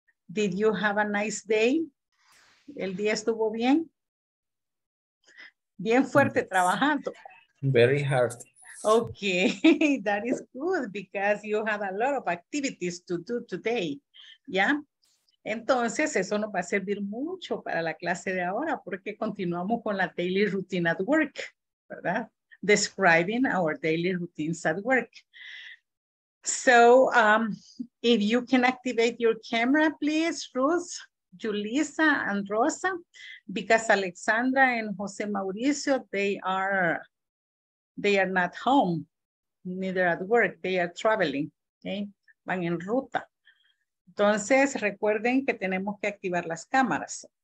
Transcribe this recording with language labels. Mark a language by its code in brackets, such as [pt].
[en] Did you have a nice day? [es] ¿El día estuvo bien? Bien fuerte trabajando. [en] Very hard. Okay, that is good because you had a lot of activities to do today, yeah? [es] Entonces, eso nos va a servir mucho para la clase de ahora porque continuamos con la [en] daily routine at work, [es] ¿verdad? [en] Describing our daily routines at work. So, if you can activate your camera, please, Ruth, Julissa, and Rosa, because Alexandra and Jose Mauricio, they are not home, neither at work, they are traveling, okay? [es] Van en ruta. Entonces, recuerden que tenemos que activar las cámaras.